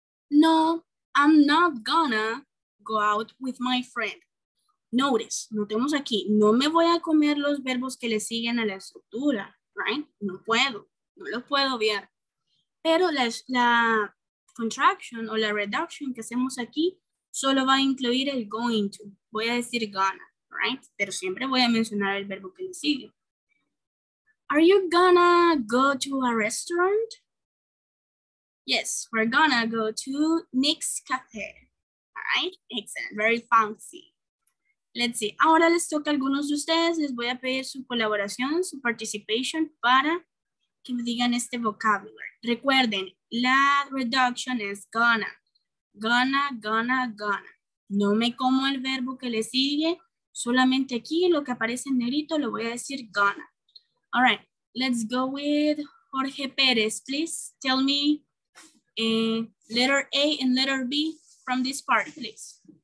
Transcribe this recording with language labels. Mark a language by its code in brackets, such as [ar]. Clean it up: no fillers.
[en] No, I'm not gonna go out with my friend. Notice, [es] notemos aquí, no me voy a comer los verbos que le siguen a la estructura, right? No puedo, no lo puedo obviar. Pero la contraction o la reduction que hacemos aquí solo va a incluir el going to. Voy a decir gonna, right? Pero siempre voy a mencionar el verbo que le sigue. [en] Are you gonna go to a restaurant? Yes, we're gonna go to Nick's Cafe. All right, excellent, very fancy. Let's see, [es] ahora les toca a algunos de ustedes, les voy a pedir su colaboración, su participation para que me digan este vocabulary. Recuerden, la reduction es gonna. Gonna, gonna, gonna. No me como el verbo que le sigue, solamente aquí lo que aparece en negrito lo voy a decir gonna. [en] All right, let's go with Jorge Pérez, please. Tell me letter A and letter B from this part, please.